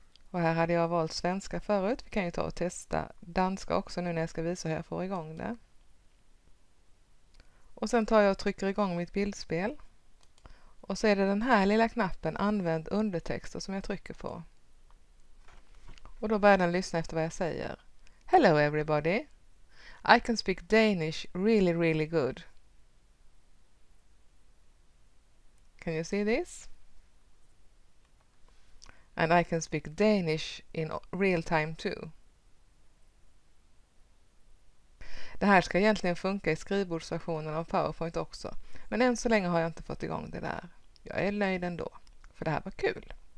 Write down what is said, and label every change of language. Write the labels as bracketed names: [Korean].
[Swedish] Och här hade jag valt svenska förut. Vi kan ju ta och testa danska också nu när jag ska visa hur jag får igång det. Och sen tar jag och trycker igång mitt bildspel. Och så är det den här lilla knappen Använd undertexter som jag trycker på. Och då börjar den lyssna efter vad jag säger. [English] Hello everybody. I can speak Danish really, really good. Can you see this? And I can speak Danish in real time too. [Swedish] Det här ska egentligen funka i skrivbordsversionen av PowerPoint också. Men än så länge har jag inte fått igång det där. Jag är nöjd ändå. För det här var kul.